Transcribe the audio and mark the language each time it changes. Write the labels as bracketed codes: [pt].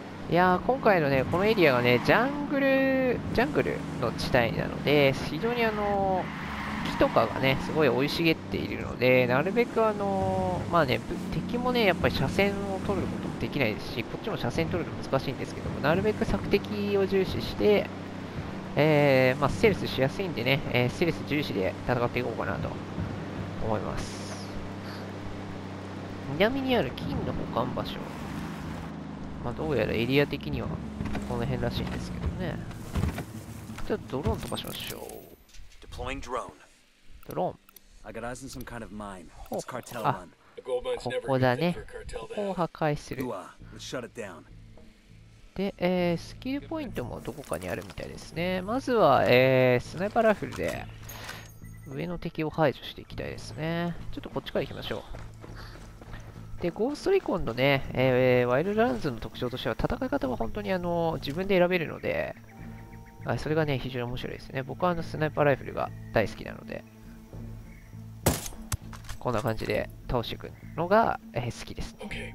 [ja] いやー、今回のね、このエリアがね、ジャングルの地帯なので、非常に木とかがね、すごい生い茂っているので、なるべくまあね、敵もね、やっぱり車線を取ることもできないですし、こっちも車線取るの難しいんですけども、なるべく索敵を重視して、まあ、ステルスしやすいんでね、ステルス重視で戦っていこうかなと思います。南にある金の保管場所、まあ、どうやらエリア的にはこの辺らしいんですけどね。じゃあ、ドローン飛ばしましょう。 [en] Deploying drone. I got eyes on some kind of mine. It's cartel run. The gold mine's never good for a cartel to have. Ua, let's shut it down. [ja] で、スキルポイントもどこかにあるみたいですね。まずは、スナイパーラフルで上の敵を排除していきたいですね。ちょっとこっちから行きましょう。で、ゴーストリコンのね、ワイルドランズの特徴としては戦い方は本当に自分で選べるので、それがね、非常に面白いですね。僕はスナイパーライフルが大好きなので、こんな感じで倒していくのが、好きですね。